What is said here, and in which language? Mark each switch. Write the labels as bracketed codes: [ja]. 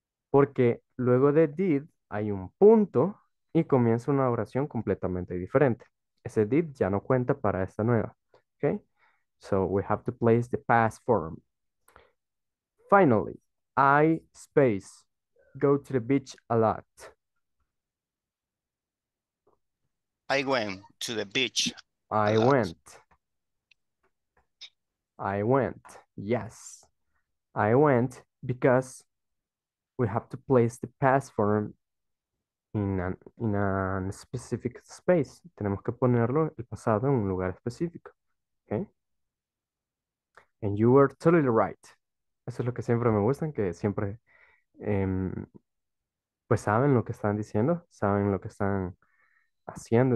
[es] Porque luego de did hay un punto y comienza una oración completamente diferente. Ese did ya no cuenta para esta nueva. Okay. [en] So we have to place the past form. Finally, I space go to the beach a lot. I went to the beach. I went. I went. Yes. I went because we have to place the past form in a specific space. [es] Tenemos que ponerlo el pasado en un lugar específico. Okay? [en] And you were totally right. [es] Eso es lo que siempre me gustan, que siempre pues saben lo que están diciendo, saben lo que están haciendo.